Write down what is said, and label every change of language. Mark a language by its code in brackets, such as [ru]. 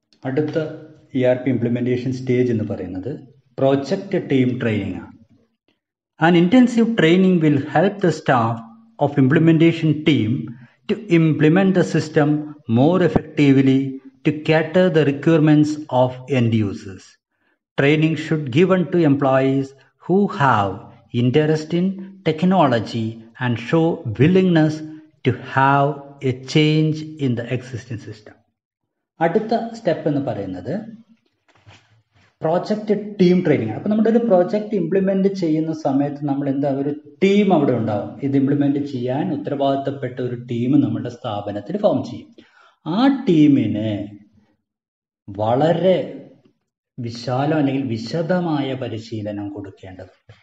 [ml] അടുത്ത E R P implementation stage എന്ന് പറയുന്നത് പ്രോജക്റ്റ് ടീം ട്രെയിനിങ് ആണ്. [en] An intensive training will help the staff of implementation team to implement the system more effectively to cater the requirements of end users. Training should given to employees who have interest in technology and show willingness to have a change in the existing system. [ml] അടുത്ത step എന്ന് പറയുന്നത് project team training ആണ്. അപ്പം നമ്മുടെ ഒരു project implement ചെയ്യുന്ന സമയത്ത് നമ്മൾ എന്താ ഒരു ടീം അവിടെ ഉണ്ടാവും, ഇത് ഇംപ്ലിമെൻ്റ് ചെയ്യാൻ ഉത്തരവാദിത്തപ്പെട്ട ഒരു ടീം നമ്മുടെ സ്ഥാപനത്തിൽ ഫോം ചെയ്യും. ആ ടീമിന് വളരെ വിശാലം അല്ലെങ്കിൽ വിശദമായ പരിശീലനം കൊടുക്കേണ്ടതുണ്ട്.